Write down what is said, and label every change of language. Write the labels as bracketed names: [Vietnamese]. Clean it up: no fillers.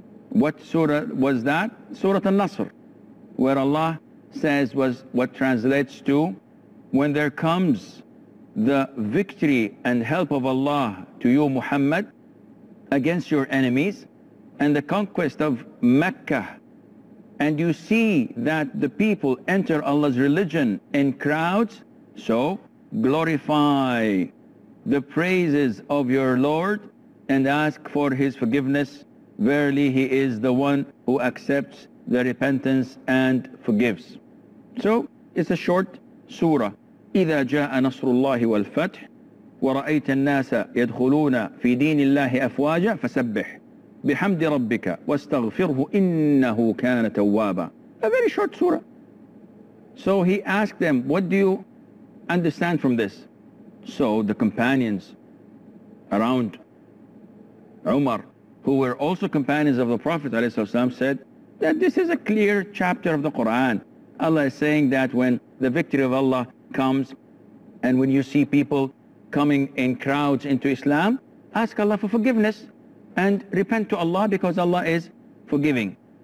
[English] What surah was that? Surah Al-Nasr, where Allah says was what translates to, "When there comes the victory and help of Allah to you, Muhammad, against your enemies, and the conquest of Mecca, and you see that the people enter Allah's religion in crowds, so glorify the praises of your Lord and ask for His forgiveness. Verily He is the one who accepts the repentance and forgives." So it's a short surah. [Arabic] إذا جاء نصر الله والفتح ورأيت الناس يدخلون في دين الله أفواجا فسبح بحمد ربك واستغفره إنه كان توابا. [English] A very short surah. So he asked them, "What do you understand from this?" So the companions around Umar, who were also companions of the Prophet ﷺ, said that this is a clear chapter of the Quran. Allah is saying that when the victory of Allah comes, and when you see people coming in crowds into Islam, ask Allah for forgiveness and repent to Allah, because Allah is forgiving.